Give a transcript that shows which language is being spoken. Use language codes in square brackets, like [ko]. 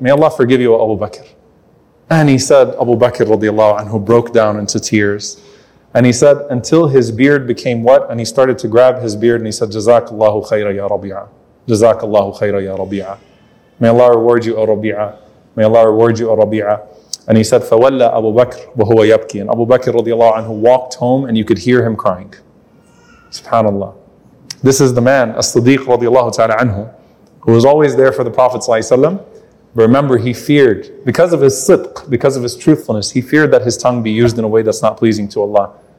[en] May Allah forgive you, O Abu Bakr. And he said, Abu Bakr radiallahu anhu broke down into tears. And he said, until his beard became wet, and he started to grab his beard, and he said, Jazakallahu khayra ya Rabi'ah. Jazakallahu khayra ya Rabi'ah. May Allah reward you, O Rabi'ah. May Allah reward you, O Rabi'ah. And he said, [ar] فَوَلَّى أَبُو بَكْرِ وَهُوَ يَبْكِي. [en] And Abu Bakr radiallahu anhu walked home, and you could hear him crying. SubhanAllah. This is the man, As-Siddiq radiallahu ta'ala anhu, who was always there for the Prophet sallallahu alayhi wa sallam. But remember, he feared, because of his sidq, because of his truthfulness, he feared that his tongue be used in a way that's not pleasing to Allah.